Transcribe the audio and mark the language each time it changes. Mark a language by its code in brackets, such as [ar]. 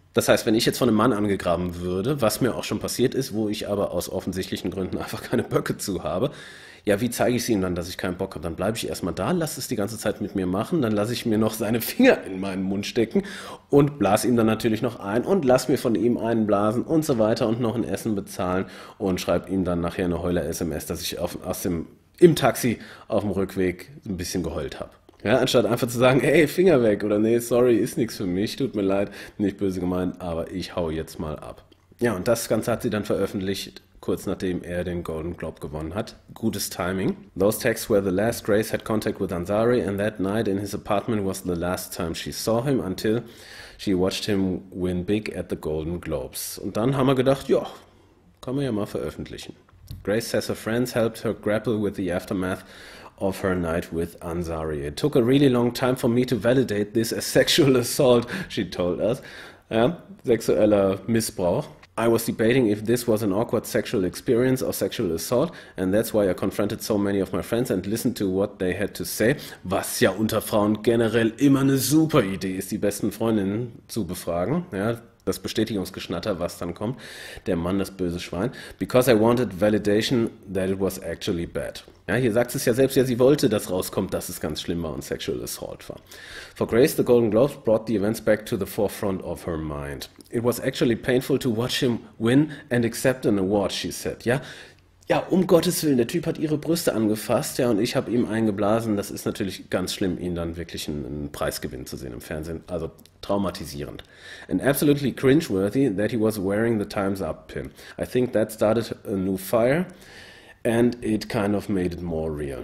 [de] Das heißt, wenn ich jetzt von einem Mann angegraben würde, was mir auch schon passiert ist, wo ich aber aus offensichtlichen Gründen einfach keine Böcke zu habe, ja, wie zeige ich es ihm dann, dass ich keinen Bock habe? Dann bleibe ich erstmal da, lasse es die ganze Zeit mit mir machen, dann lasse ich mir noch seine Finger in meinen Mund stecken und blase ihm dann natürlich noch ein und lasse mir von ihm einen blasen und so weiter und noch ein Essen bezahlen und schreibe ihm dann nachher eine Heuler-SMS, dass ich im Taxi auf dem Rückweg ein bisschen geheult habe. Ja, anstatt einfach zu sagen, hey, Finger weg oder nee, sorry, ist nichts für mich, tut mir leid, nicht böse gemeint, aber ich hau jetzt mal ab. Ja, und das Ganze hat sie dann veröffentlicht, kurz nachdem er den Golden Globe gewonnen hat. Gutes Timing. [en] Those texts were the last Grace had contact with Ansari and that night in his apartment was the last time she saw him until she watched him win big at the Golden Globes. [de] Und dann haben wir gedacht, ja, kann man ja mal veröffentlichen. [en] Grace says her friends helped her grapple with the aftermath of her night with Ansari. It took a really long time for me to validate this as sexual assault, she told us. [de] Ja, sexueller Missbrauch. [en] I was debating if this was an awkward sexual experience or sexual assault and that's why I confronted so many of my friends and listened to what they had to say. [de] Was ja unter Frauen generell immer eine super Idee ist, die besten Freundinnen zu befragen. Ja, das Bestätigungsgeschnatter, was dann kommt. Der Mann, das böse Schwein. [en] Because I wanted validation that it was actually bad. [de] Ja, hier sagt es ja selbst, ja, sie wollte, dass rauskommt, dass es ganz schlimm war und [en] sexual assault [de] war. [en] For Grace, the Golden Globes brought the events back to the forefront of her mind. It was actually painful to watch him win and accept an award, she said. [de] Ja, ja, um Gottes Willen, der Typ hat ihre Brüste angefasst, ja, und ich habe ihm eingeblasen. Das ist natürlich ganz schlimm, ihn dann wirklich einen Preis gewinnen zu sehen im Fernsehen. Also traumatisierend. [en] And absolutely cringeworthy that he was wearing the Time's Up pin. I think that started a new fire. And it kind of made it more real.